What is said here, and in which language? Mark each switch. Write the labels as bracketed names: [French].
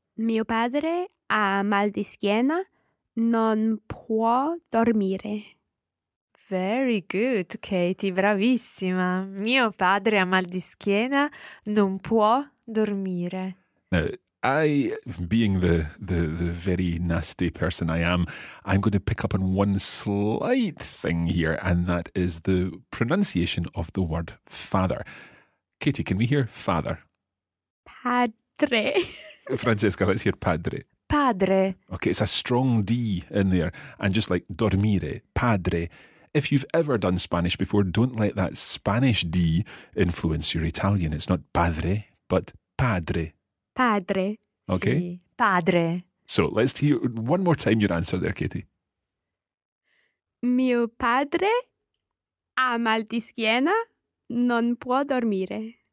[Italian] Mio padre ha mal di schiena, non può dormire. [English] Very good, Katie, [Italian] bravissima. Mio padre ha mal di schiena, non può dormire. [English] Now, I, being the very nasty person I am, I'm going to pick up on one slight thing here, and that is the pronunciation of the word father. Katie, can we hear father? [Italian] padre. [English] Francesca, let's hear padre. [Italian] Padre. [English] Okay, it's a strong D in there. And just like dormire, padre. If you've ever done Spanish before, don't let that Spanish D influence your Italian. It's not padre, but padre. [Italian] Padre. [English] Okay. [Italian] Si. Padre. [English] So let's hear one more time your answer there, Katie. [Italian] Mio padre ha mal di schiena, non può dormire.